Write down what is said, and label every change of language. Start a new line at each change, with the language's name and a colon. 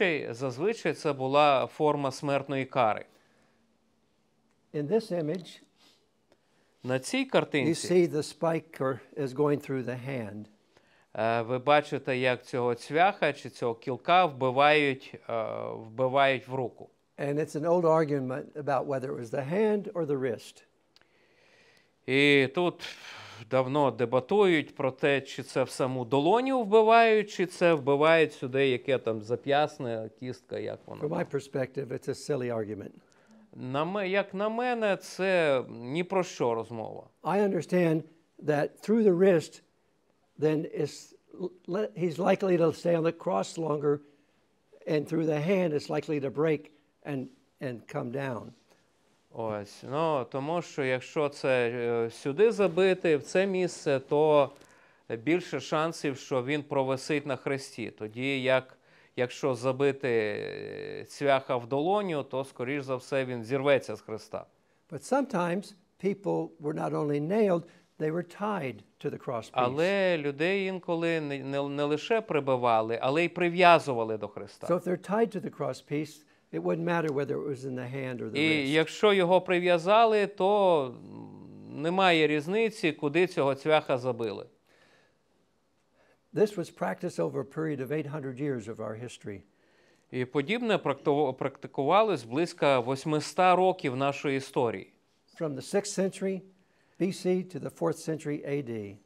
Ukrainian: Зазвичай це була форма смертної кари.
English: In this image,
Ukrainian: на цій картинці,
English: you see the spike is going through the hand.
Ukrainian: Ви бачите, як цього цвяха чи цього кілка вбивають в руку.
English: And it's an old argument about whether it was the hand or the wrist.
Ukrainian: І тут давно дебатують про те, чи це в саму долоню вбивають, чи це вбивають сюди, яке там зап'ясне, кістка, як воно.
English: From my perspective, it's a silly argument.
Ukrainian: Як на мене, це ні про що розмова.
English: I understand that through the wrist, then he's likely to stay on the cross longer, and through the hand, it's likely to break and come down.
Ukrainian: Ось, ну, тому що якщо це сюди забити, в це місце, то більше шансів, що він провисить на хресті. Тоді, якщо забити цвяха в долоню, то, скоріш за все, він зірветься з хреста.
English: But sometimes people were not only nailed, they were tied to the cross piece.
Ukrainian: Але людей інколи не лише прибивали, але й прив'язували до хреста.
English: So if they're tied to the cross piece, it wouldn't matter whether it was in the hand or the wrist.
Ukrainian: І якщо його прив'язали, то немає різниці, куди цього цвяха забили.
English: This was practiced over a period of 800 years of our history.
Ukrainian: І подібне практикувалось близько 800 років нашої історії.
English: From the 6th century BC to the 4th century AD.